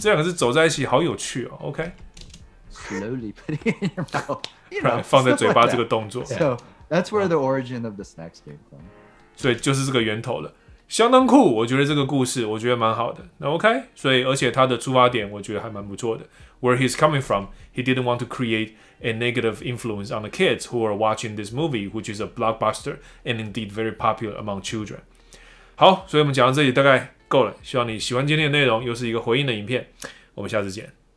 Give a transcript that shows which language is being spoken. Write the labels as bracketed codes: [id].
[zh] 这两个字走在一起好有趣哦 OK. [en] Slowly putting it in your mouth. You know, [zh] right, 放在嘴巴这个动作 [en] So that's where the origin of the snacks came from. [zh] 所以就是这个源头了。相当酷，我觉得这个故事我觉得蛮好的。那 OK， 所以而且他的出发点我觉得还蛮不错的。 [en] Where he's coming from, he didn't want to create a negative influence on the kids who are watching this movie, which is a blockbuster and indeed very popular among children. [zh] 好，所以我们讲到这里大概够了。希望你喜欢今天的内容，又是一个回应的影片。我们下次见。